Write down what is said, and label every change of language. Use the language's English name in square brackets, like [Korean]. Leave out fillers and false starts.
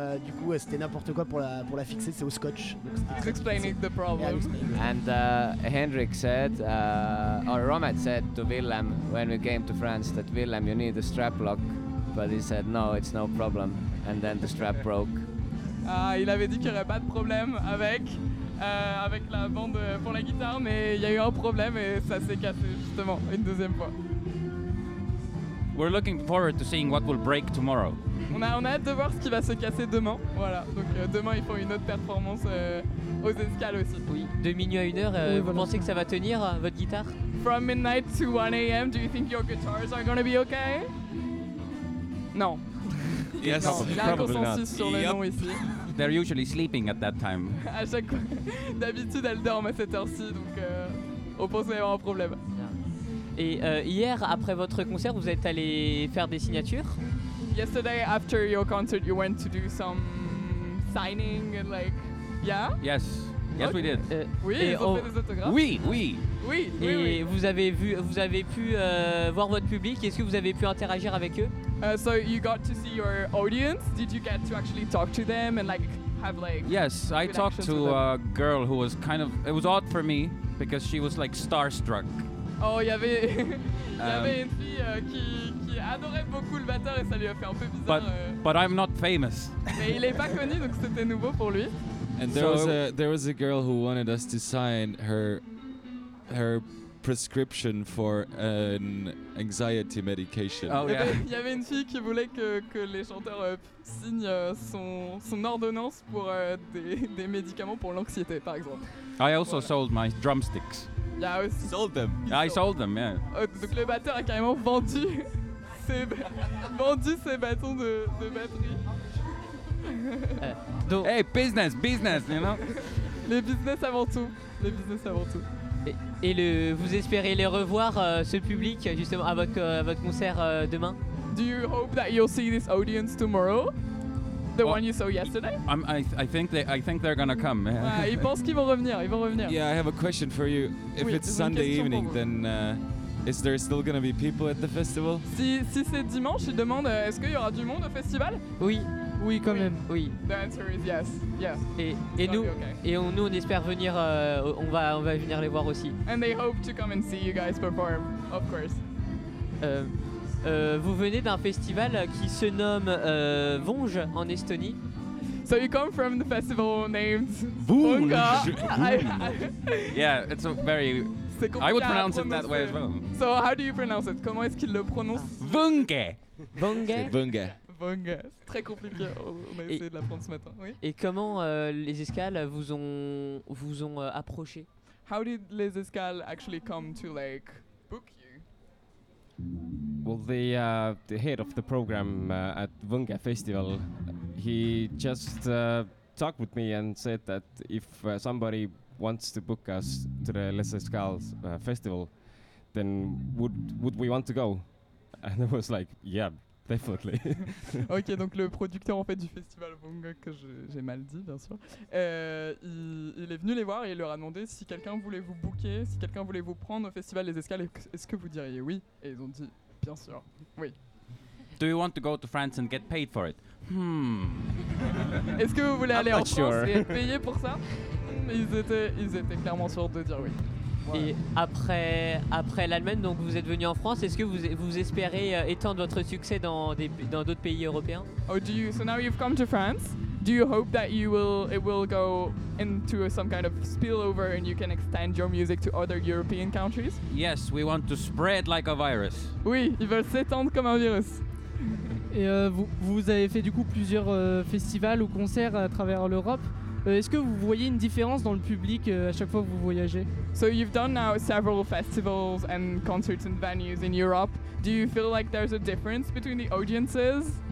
[French] Du coup, c'était n'importe quoi pour la fixer. C'est au scotch. [English] He's explaining the problem. And Hendrik said, or Romet said to Willem when we came to France that Willem, you need a strap lock, but he said no, it's no problem. And then the strap broke. [French] Ah, il avait dit qu'il n'y aurait pas de problème avec la bande pour la guitare, mais il y a eu un problème et ça s'est cassé justement une deuxième fois. [English] We're looking forward to seeing what will break tomorrow. [French] On a hâte de voir ce qui va se casser demain. Voilà, donc demain ils font une autre performance aux Escales aussi. Oui, de minuit à une heure, vous pensez que ça va tenir votre guitare? [English] From midnight to 1 a.m. do you think your guitars are gonna be okay? [French] Non. [English] Yes, [French] non, [English] probably not. [French] Sur yep. Le non ici. [English] They're usually sleeping at that time. [French] À chaque fois, d'habitude, elles dorment à cette heure-ci, donc on pense qu'il y avoir un problème. Et hier, après votre concert, vous êtes allé faire des signatures? [English] Yesterday, after your concert, you went to do some signing and like, yeah? Yes. Yes, okay. We did. [French] Oui, ils ont fait des autographes. Oui, oui. Oui. Et Vous avez pu voir votre public. Est-ce que vous avez pu interagir avec eux? [English] So you got to see your audience. Did you get to actually talk to them and like have like? Yes, I talked to a girl who was kind of. It was odd for me because she was like starstruck. [French] Oh, il y avait une fille qui adorait beaucoup le batteur et ça lui a fait un peu bizarre. [English] But I'm not famous. [French] Mais il est pas connu donc c'était nouveau pour lui. [English] And there was a girl who wanted us to sign her prescription for an anxiety medication. Oh yeah. [French] Il y avait une fille qui voulait que les chanteurs signent son ordonnance pour des médicaments pour l'anxiété par exemple. [English] I also sold my drumsticks. Yeah, I also sold them. I sold them, yeah. [French] Donc le batteur a carrément vendu ses bâtons de batterie. [English] Hey, business, you know. [French] Le business avant tout. Vous espérez les revoir ce public justement à votre concert demain? [English] Do you hope that you'll see this audience tomorrow? The one you saw yesterday? I think they're gonna come. [French] Ils pensent qu'ils vont revenir. Ils vont revenir. [English] Yeah, I have a question for you. If [French] oui, [English] it's Sunday evening, then is there still gonna be people at the festival? [French] Si c'est dimanche, ils demandent est-ce qu'il y aura du monde au festival? Oui. Oui, quand même. Oui. [English] The answer is yes. Yeah. [French] Et nous, on espère venir. On va venir les voir aussi. [English] And they hope to come and see you guys perform, of course. [French] Vous venez d'un festival qui se nomme Vonge en Estonie. [English] So you come from the festival named Vonga. Yeah, it's a very. I would pronounce it that way as well. So how do you pronounce it? [French] Comment est-ce qu'il le prononce? [English] Vonge. Vonge. Vonge. [French] C'est très compliqué, on a essayé de l'apprendre ce matin. Oui. Et comment les Escales vous ont approché? [English] How did les Escales actually come to like book you? Well, the head of the program at Vunga Festival, he just talked with me and said that if somebody wants to book us to the Les Escales festival, then would we want to go? And I was like, yeah. Definitely. [French] Ok, donc le producteur en fait du festival Bongo, que j'ai mal dit bien sûr, il est venu les voir et il leur a demandé si quelqu'un voulait vous booker, si quelqu'un voulait vous prendre au festival Les Escales, est-ce que vous diriez oui? Et ils ont dit bien sûr, oui. [English] Do you want to go to France and get paid for it? [French] Est-ce que vous voulez aller en France et être payé pour ça? Ils étaient clairement sûrs de dire oui. Et après l'Allemagne, donc vous êtes venu en France. Est-ce que vous espérez étendre votre succès dans d'autres pays européens? [English] Oh, do you? So now you've come to France. Do you hope that it will go into some kind of spillover and you can extend your music to other European countries? Yes, we want to spread like a virus. [French] Oui, ils veulent s'étendre comme un virus. Et vous avez fait du coup plusieurs festivals ou concerts à travers l'Europe. Est-ce que vous voyez une différence dans le public à chaque fois que vous voyagez? [English] So you've done now several festivals and concerts and venues in Europe. Do you feel like there's a difference between the audiences?